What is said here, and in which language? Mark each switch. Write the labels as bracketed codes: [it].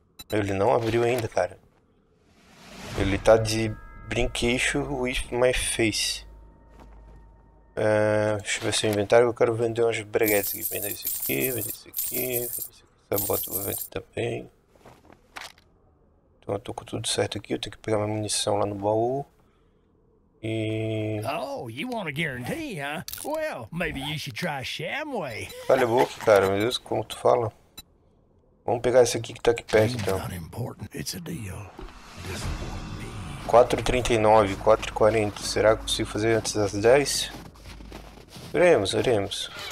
[pt] Ele não abriu ainda, cara. Ele tá de brinquedo [en] with my face. [pt] Deixa eu ver se o inventário, eu quero vender umas breguetes aqui. Vender isso aqui, vender isso aqui, essa bota eu vou vender também. Então eu tô com tudo certo aqui, eu tenho que pegar minha munição lá no baú. [en] Oh, you want a guarantee, huh? Well, maybe you should try Shamway. [pt] Cala a boca, cara. Meu Deus, como tu fala? Vamos pegar esse aqui que tá aqui perto, então. [en] Not important. It's a deal. Doesn't want me. [pt] 4h39, 4h40. Será que consigo fazer antes das 10? Veremos, veremos.